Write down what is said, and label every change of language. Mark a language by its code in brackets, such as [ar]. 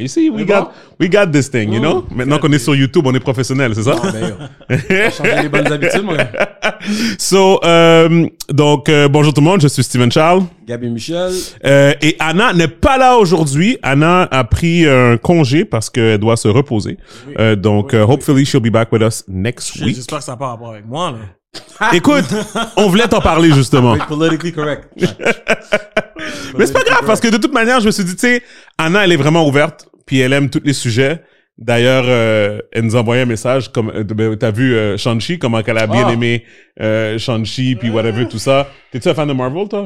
[en] You see, we got this thing, you know? [fr] Maintenant qu'on est sur YouTube, on est professionnel, c'est ça? Ah, d'ailleurs. On a changé les bonnes habitudes, mon gars. So, bonjour tout le monde, je suis Steven Charles. Gabi Michel. Et Anna n'est pas là aujourd'hui. Anna a pris un congé parce qu'elle doit se reposer. Oui. [en] Hopefully she'll be back with us next week. [fr] J'espère que ça n'a pas rapport avec moi, là. Écoute, on voulait t'en parler justement. [en] Politically correct. [fr] Mais c'est pas grave, parce que de toute manière, je me suis dit, tu sais, Anna, elle est vraiment ouverte, puis elle aime tous les sujets. D'ailleurs, elle nous a envoyé un message, comme t'as vu Shang-Chi, comment qu'elle a bien aimé Shang-Chi, puis whatever, tout ça. T'es-tu un fan de Marvel, toi?